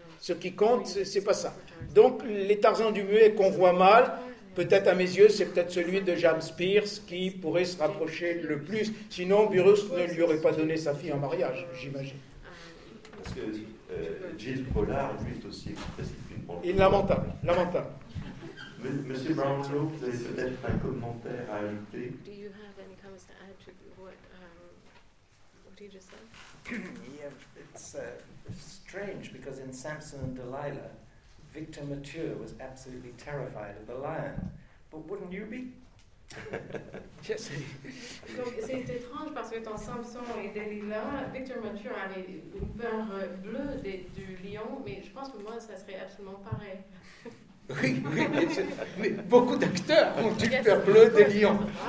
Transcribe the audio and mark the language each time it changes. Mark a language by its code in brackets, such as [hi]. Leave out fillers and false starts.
[fr] Ce qui compte, c'est pas ça. Donc les Tarzans du muet qu'on voit mal, peut-être à mes yeux, c'est peut-être celui de James Pierce qui pourrait se rapprocher le plus. Sinon, Burroughs ne lui aurait pas donné sa fille en mariage, j'imagine. Parce que Gilles Pollard, lui, est aussi expressif. Lamentable, lamentable. Monsieur Brownlow, vous avez peut-être un commentaire à ajouter. [en] Do you have any comments to add to what you just said? Yeah, it's strange because in Samson and Delilah, Victor Mature was absolutely terrified of the lion. But wouldn't you be? Yes. [fr] Donc c'est étrange parce que dans Samson et Delilah, Victor Mature a une peur bleue du lion, mais je pense que moi ça serait absolument pareil. Oui, mais beaucoup d'acteurs ont une peur bleue des lions.